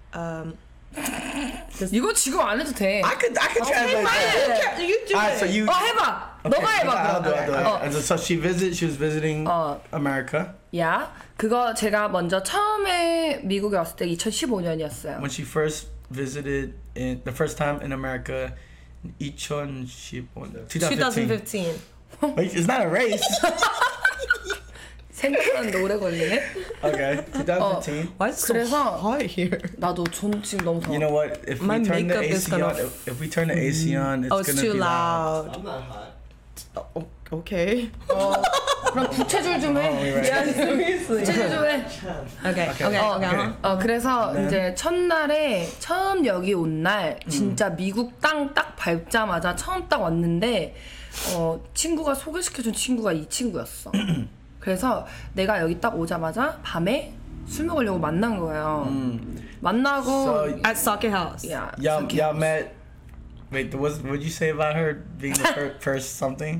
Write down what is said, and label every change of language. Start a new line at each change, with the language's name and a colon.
English: Okay.
Korean: 이거 지금 안 해도 돼.
English: I could try it. You do it.
Korean: 해 봐. 너가 해 봐. 그래.
English: So she was visiting America. Yeah.
Korean: 그거 제가 먼저 처음에 미국에 왔을 때 2015년이었어요.
English: When she first visited in the first time in America 2015. It's not a race.
Korean: 생각하는데 오래 걸리네.
English: Okay, 2015. Why is it so hot here?
Korean: 나도 전 지금 너무 더워.
English: You know what? If we turn the AC on, if we turn the AC on, it's gonna be too loud. I'm not hot. Okay.
Korean: 그럼 부채질 좀 해. 미안해. 제주도에. 오케이. 오케이. 그래서 이제 첫날에 처음 여기 온 날 진짜 미국 땅 딱 밟자마자 처음 딱 왔는데 친구가 소개시켜준 친구가 이 친구였어. 그래서 내가 여기 딱 오자마자 밤에 술 먹으려고 만난 거예요. 만나고
English: at sake house. Yeah. Yeah, sake house. Yeah, met. Wait, what'd you say about her being the first something?